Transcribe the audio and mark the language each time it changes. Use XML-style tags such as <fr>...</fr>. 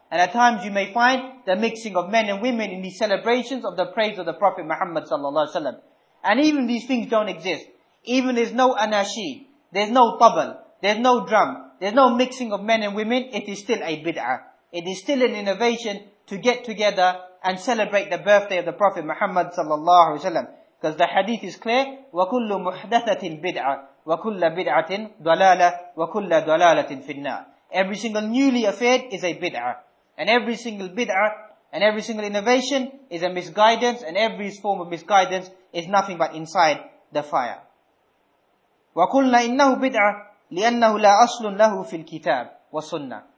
<en>And at times you may find the mixing of men and women in these celebrations of the praise of the Prophet Muhammad sallallahu alaihi wasallam. And even these things don't exist. Even there's no anashid, there's no tabal, there's no drum, there's no mixing of men and women, it is still a bid'ah. It is still an innovation to get together and celebrate the birthday of the Prophet Muhammad sallallahu alaihi wasallam. Because the hadith is clear,</en> <ar>وَكُلُّ مُحْدَثَةٍ بِدْعَةٍ وَكُلَّ بِدْعَةٍ ضَلَالَةٍ وَكُلَّ ضَلَالَةٍ فِي النَّارِ.</ar> <en>Every single newly affaired is a bid'ah. And every single bid'ah and every single innovation is a misguidance, and every form of misguidance is nothing but inside the fire.</en> <ar>وَقُلْنَا إِنَّهُ بِدْعَةٍ لِأَنَّهُ لَا أَصْلٌ لَهُ فِي الْكِتَابِ وَالسُنَّةِ.</ar>